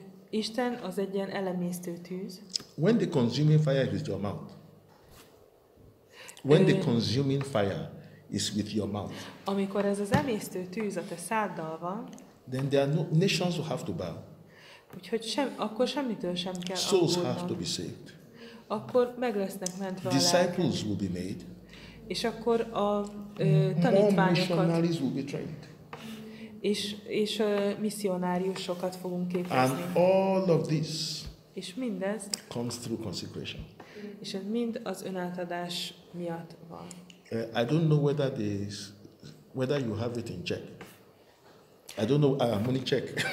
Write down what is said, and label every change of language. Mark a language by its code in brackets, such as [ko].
[hu] Isten az egy ilyen elemésztő tűz. [en] When the consuming fire is with your mouth. When the consuming fire is with your mouth. [hu] Amikor ez az elemésztő tűz a te száddal van. [en] Then there are no nations who have to bow. [hu] Úgyhogy akkor semmitől sem kell aggódnom. [en] Souls have to be saved. [hu] Akkor meg lesznek mentve a lelked. [en] Disciples will be made. [hu] És akkor a tanítványokat és misszionáriusokat fogunk képezni. [en] And all of this [hu] és mindez [en] comes through consecration. [hu] És ez mind az önátadás miatt van. [en] I don't know whether you have it in Czech. I don't know, I'm only Czech.